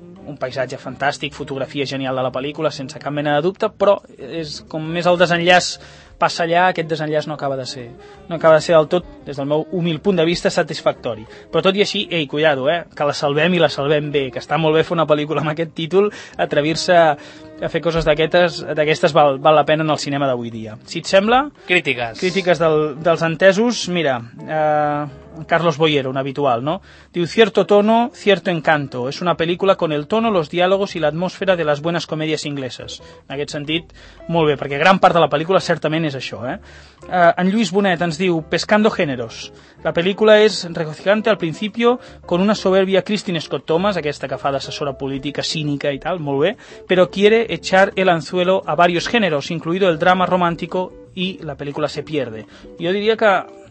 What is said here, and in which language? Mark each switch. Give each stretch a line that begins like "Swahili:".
Catalan: Un paisatge fantàstic, fotografia genial de la pel·lícula, sense cap mena de dubte, però és com més el desenllaç passa allà, aquest desenllaç no acaba de ser del tot, des del meu humil punt de vista, satisfactori. Però tot i així, ei, cuidado, que la salvem, i la salvem bé, que està molt bé fer una pel·lícula amb aquest títol, atrevir-se a fer coses d'aquestes val la pena en el cinema d'avui dia. Si et sembla... Crítiques. Crítiques dels entesos. Mira, Carlos Boyer, un habitual, ¿no? Diu,
Spanish: cierto tono, cierto encanto. Es una película con el tono, los diálogos y la atmósfera de las buenas comedias inglesas.
Catalan: En aquest sentit, molt bé, perquè gran part de la pel·lícula certament és això, En Lluís Bonet ens diu,
Spanish: pescando géneros. La pel·lícula és regocijante al principio, con una soberbia Christine Scott Thomas,
Catalan: aquesta que fa d'assessora política cínica i tal, molt bé, però
Spanish: quiere echar el anzuelo a varios géneros, incluido el drama romántico, y la película se pierde.
Catalan: Jo diria que...